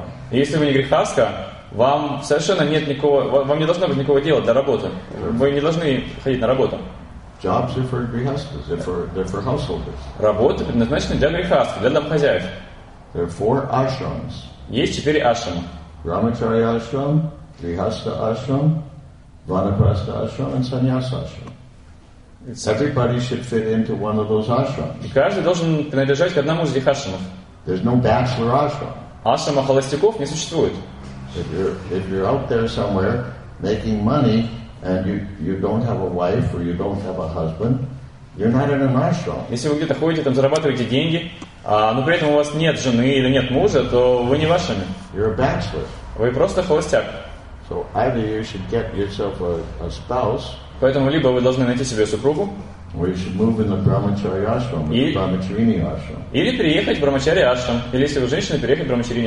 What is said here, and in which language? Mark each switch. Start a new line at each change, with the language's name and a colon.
Russian: И если вы не грихаска, вам совершенно нет никакого, вам не должно быть никакого дела для работы. Вы не должны ходить на работу.
English: Jobs are for grihasthas, they're for householders.
Russian: Работы предназначены для грихаста, для домохозяев.
English: There are four ashrams.
Russian: Есть четыре ашрама.
English: Brahmachari ashram, grihastha ashram, vanaprastha ashram and sannyasa ashram. Everybody should fit into one of those ashrams.
Russian: Каждый должен принадлежать к одному из этих ашрамов.
English: There's no bachelor ashram.
Russian: Ашрама холостяков не существует.
English: If you're out there somewhere making money and you don't have a wife or you don't have a husband, you're not in an ashram.
Russian: Если вы где-то ходите, там зарабатываете деньги, но при этом у вас нет жены или нет мужа, то вы не в ашраме.
English: You're a bachelor.
Russian: Вы просто холостяк.
English: So either you should get yourself a spouse.
Russian: Поэтому либо вы должны найти себе супругу, или переехать в Брамачари ашрам, или если вы женщина, переехать в Брамачарини